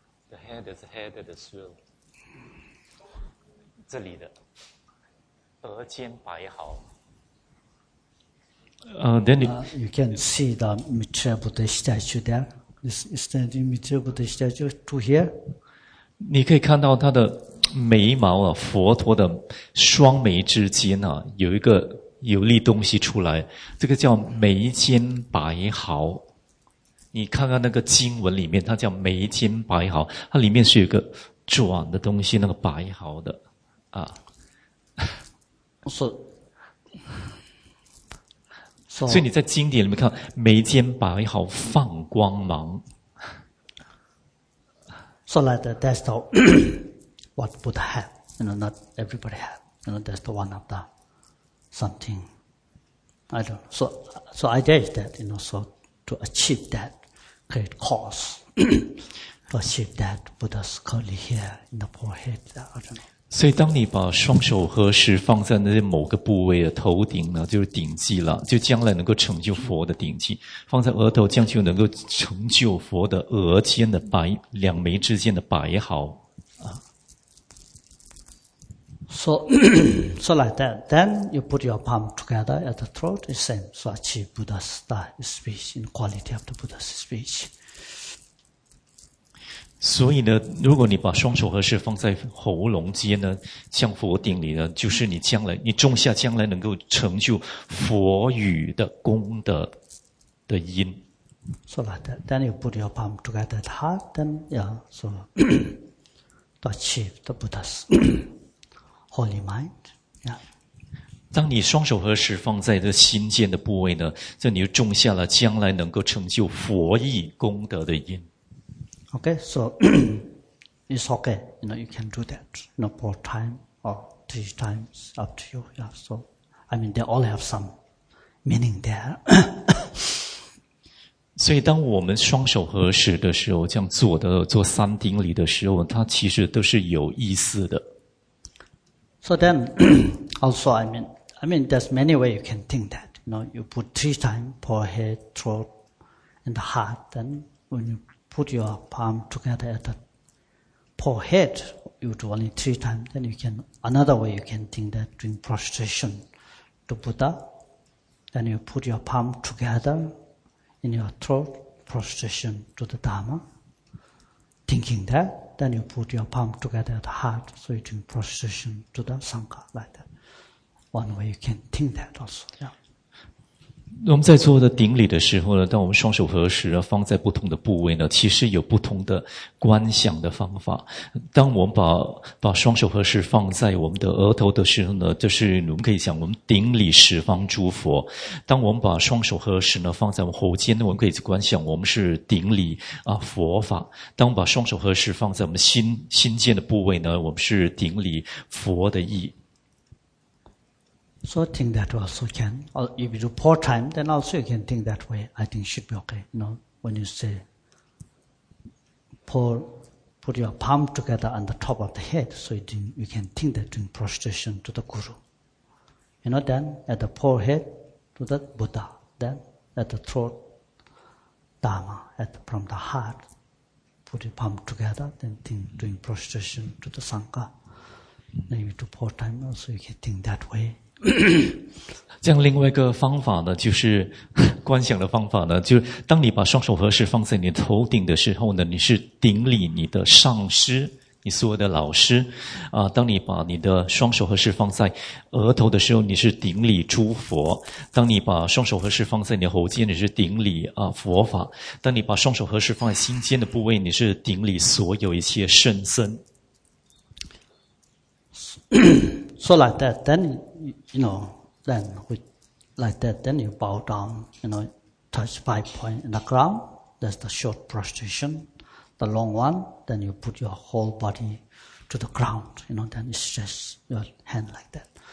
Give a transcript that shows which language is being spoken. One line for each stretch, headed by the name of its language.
English: The hair that's a hair that is real.
Chinese: 这里的。额间白毫。
English: You can see the Mitra Buddha statue there. This is the Mitra Buddha statue to here.
Chinese: 你可以看到他的眉毛啊，佛陀的双眉之间啊，有一个有粒东西出来，这个叫眉间白毫。你看看那个经文里面，它叫眉间白毫，它里面是有一个转的东西，那个白毫的啊。是。所以你在经典里面看眉间白毫放光芒。
English: So like that's the what Buddha had, you know, not everybody had, you know, that's the one of the something. I don't know. So idea is that, you know, so to achieve that great cause, to achieve that Buddha's curly hair in the forehead, I don't know.
Chinese: 所以当你把双手合十放在那些某个部位的头顶呢，就是顶髻了，就将来能够成就佛的顶髻，放在额头将就能够成就佛的额间的白，两眉之间的白毫。
English: So like that, then you put your palm together at the throat, it's same, so achieve Buddha's style speech, in quality of the Buddha's speech.
Chinese: 所以呢，如果你把双手合十放在喉咙间呢，向佛顶礼呢，就是你将来，你种下将来能够成就佛语的功德的因。
English: So like that, then you put your palm together at heart, then yeah, so to achieve the Buddha's holy mind, yeah.
Chinese: 当你双手合十放在这心间的部位呢，这你就种下了将来能够成就佛意功德的因。
English: Okay, so it's okay. You know, you can do that. You know, four times or three times, up to you. Yeah. So, I mean, they all have some meaning there.
Chinese: 所以，当我们双手合十的时候，这样做的做三顶礼的时候，它其实都是有意思的。
English: So then, also, I mean, there's many ways you can think that. You know, you put three times forehead, throat, and heart. Then when you put your palm together at the forehead, you do only three times, then you can, another way you can think that during prostration to Buddha, then you put your palm together in your throat, prostration to the Dharma, thinking that, then you put your palm together at the heart, so you do prostration to the Sangha, like that. One way you can think that also, yeah.
Chinese: 我们在做的顶礼的时候呢，当我们双手合十放在不同的部位呢，其实有不同的观想的方法。当我们把双手合十放在我们的额头的时候呢，就是我们可以想我们顶礼十方诸佛。当我们把双手合十呢放在我们喉间呢，我们可以观想我们是顶礼啊佛法。当我们把双手合十放在我们心间的部位呢，我们是顶礼佛的意。
English: So I think that also can, or if you do four times, then also you can think that way. I think it should be okay. You know, when you say, put your palm together on the top of the head, so you can think that during prostration to the Guru. You know, then at the forehead to the Buddha, then at the throat, Dharma, from the heart, put your palm together, then think during prostration to the Sangha. Then if you do four times, also you can think that way.
Chinese: 这样另外一个方法呢，就是观想的方法呢，就是当你把双手合十放在你头顶的时候呢，你是顶礼你的上师，你所有的老师啊。当你把你的双手合十放在额头的时候，你是顶礼诸佛；当你把双手合十放在你的喉间，你是顶礼啊佛法；当你把双手合十放在心间的部位，你是顶礼所有一切圣僧。
English: So like that, then, you know, then, with, like that, then you bow down, you know, touch 5 points in the ground, that's the short prostration. The long one, then you put your whole body to the ground, you know, then it's just your hand like that.